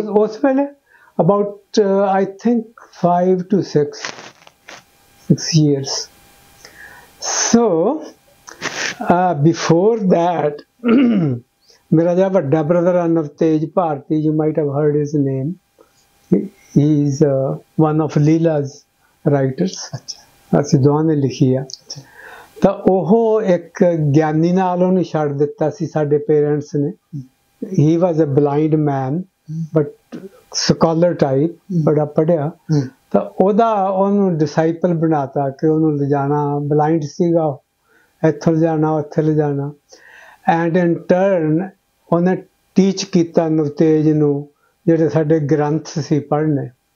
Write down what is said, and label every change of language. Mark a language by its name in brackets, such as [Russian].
[Punjabi] ਉਸ ਵੇਲੇ [English] About I think 5 to 6 years. So before that [Punjabi] ਮੇਰਾ ਜਿਹੜਾ ਵੱਡਾ [English] Brother ਆ Navtej Bharti, you might have heard his name, He is one of Leela's writers. [Punjabi] ਅਸੀਂ ਦੋਵਾਂ ਨੇ ਲਿਖੀ ਆ ਤਾਂ ਉਹ ਇੱਕ ਗਿਆਨੀ ਨਾਲ ਉਹਨੂੰ ਛੱਡ ਦਿੱਤਾ ਸੀ ਸਾਡੇ ਪੇਰੈਂਟਸ ਨੇ [English] he was a blind man but scholar type [Punjabi] ਬੜਾ ਪੜ੍ਹਿਆ ਤਾਂ ਉਹਦਾ ਉਹਨੂੰ ਡਿਸਾਈਪਲ ਬਣਾਤਾ ਕਿ ਉਹਨੂੰ ਲਿਜਾਣਾ ਬਲਾਈਂਡ ਸੀਗਾ ਉਹ ਇੱਥੋਂ ਲਿਜਾਣਾ ਉੱਥੇ ਲਿਜਾਣਾ [English] and in turn [Punjabi] ਉਹਨੇ ਟੀਚ ਕੀਤਾ ਨਵਤੇਜ ਨੂੰ ਜਿਹੜੇ ਸਾਡੇ ਗ੍ਰੰਥ ਸੀ ਪੜ੍ਹਨੇ